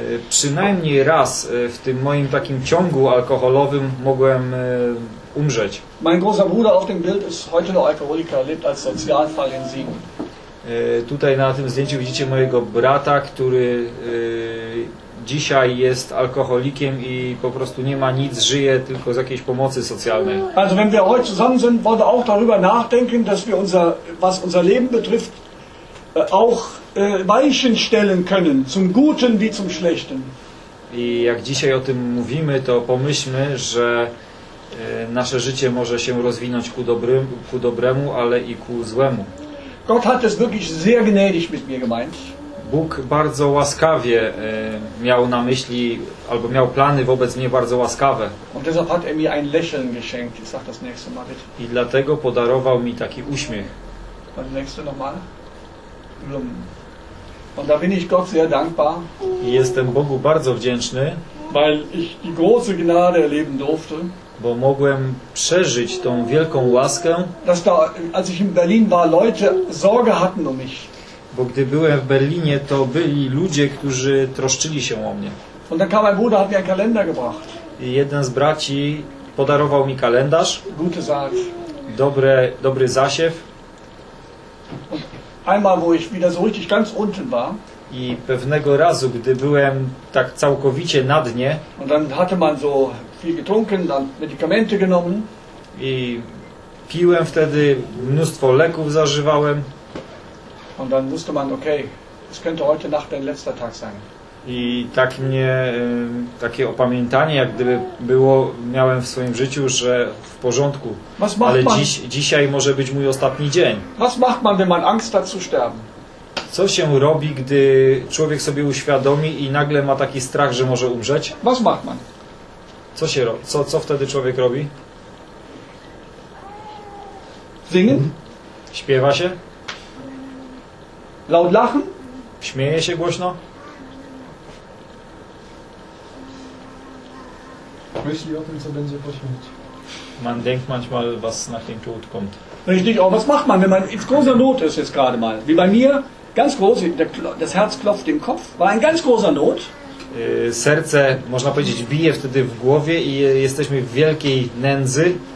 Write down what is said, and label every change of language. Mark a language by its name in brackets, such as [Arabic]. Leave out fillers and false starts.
[Polish] Przynajmniej raz w tym moim takim ciągu alkoholowym mogłem umrzeć. [German] Mein großer Bruder auf dem Bild ist heute noch Alkoholiker, lebt als Sozialfall in Siegen. [Polish] Tutaj na tym zdjęciu widzicie mojego brata, który dzisiaj jest alkoholikiem i po prostu nie ma nic, żyje tylko z jakiejś pomocy socjalnej. [German] Also wenn wir heute zusammen sind, wollen wir auch darüber nachdenken, dass wir unser, was unser Leben betrifft, auch Weichen stellen können, zum Guten wie zum Schlechten. [Polish] I jak dzisiaj o tym mówimy, to pomyślmy, że nasze życie może się rozwinąć ku dobremu, ale i ku złemu. [German] Gott hat es wirklich sehr gnädig mit mir gemeint. [Polish] Bóg bardzo łaskawie miał na myśli, albo miał plany wobec mnie bardzo łaskawe. [German] Und deshalb hat mir ein Lächeln geschenkt, ich sag das nächste Mal bitte. [Polish] I dlatego podarował mi taki uśmiech. [German] Und nächste nochmal. Blumen. Und da bin ich Gott sehr dankbar. [Polish] I jestem Bogu bardzo wdzięczny, [German] weil ich die große Gnade erleben durfte. [Polish] Bo mogłem przeżyć tą wielką łaskę. [German] Dass da, als ich in Berlin war, Leute Sorge hatten um mich. [Polish] Bo gdy byłem w Berlinie, to byli ludzie, którzy troszczyli się o mnie. [German] Und dann kam mein Bruder, hat mir einen Kalender gebracht. [Polish] I jeden z braci podarował mi kalendarz. [German] Gute Saat. [Polish] Dobry zasiew. [German] Und einmal, wo ich wieder so richtig ganz unten war. [Polish] I pewnego razu, gdy byłem tak całkowicie na dnie. [German] Und dann hatte man so viel getrunken, dann Medikamente genommen. [Polish] I piłem wtedy, mnóstwo leków zażywałem. [German] Und dann wusste man, okay, es könnte heute Nacht dein letzter Tag sein. [Polish] I tak mnie, takie opamiętanie, jak gdyby było, miałem w swoim życiu, że w porządku. [German] Was macht [Polish] ale [German] man, [Polish] dzisiaj może być mój ostatni dzień. [German] Was macht man, wenn man Angst hat zu sterben? [Polish] Co się robi, gdy człowiek sobie uświadomi i nagle ma taki strach, że może umrzeć? [German] Was macht man? [Polish] Co się robi? Co wtedy człowiek robi? [German] Singen? [Polish] Śpiewa się? [German] Laut lachen? [Polish] Śmieje się głośno? Myśli o tym, co będzie po śmierci. [German] Man denkt manchmal, was nach dem Tod kommt. Richtig, aber was macht man, wenn man in großer Not ist jetzt gerade mal? Wie bei mir, ganz groß, das Herz klopft im Kopf, war in ganz großer Not. [Polish] Serce, można powiedzieć, bije wtedy w głowie i jesteśmy w wielkiej nędzy.